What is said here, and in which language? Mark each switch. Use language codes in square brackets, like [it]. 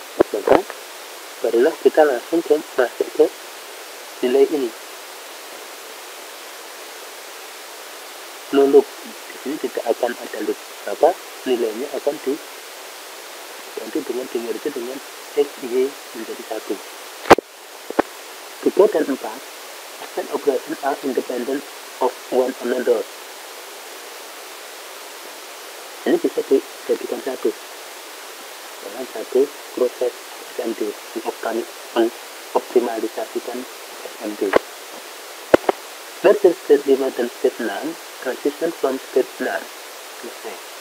[id] Maka barulah kita langsung masuk ke nilai ini. [en] No loop, [id] di sini tidak akan ada loop, apa nilainya akan diganti dengan dimerge dengan x, y menjadi 1. [en] 3 dan 4, asset operation are independent of one another. [id] Ini bisa dijadikan 1, dengan 1 proses SMD, mengoptimalisasikan SMD. [en] Merge state 5 dan state 6, transition from state 9, [id] selesai.